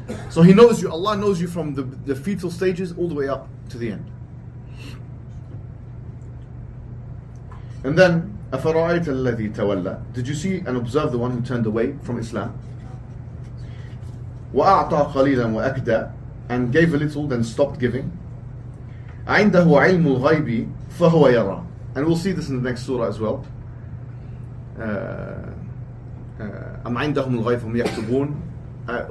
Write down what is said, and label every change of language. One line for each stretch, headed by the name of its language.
English: So He knows you, Allah knows you from the fetal stages all the way up to the end. And then,
Arabic: أَفَرَأَيْتَ الَّذِي تَوَلَّى.
English: Did you see and observe the one who turned away from Islam?
Arabic: وَأَعْطَى قَلِيلًا وَأَكْدَى.
English: And gave a little, then stopped giving.
Arabic: عِنْدَهُ عِلْمُ الْغَيْبِ فَهُوَ يَرَى.
English: And we'll see this in the next surah as well.
Arabic: أَمْ عِنْدَهُمْ الْغَيْبِ هُمْ يَكْتُبُونَ.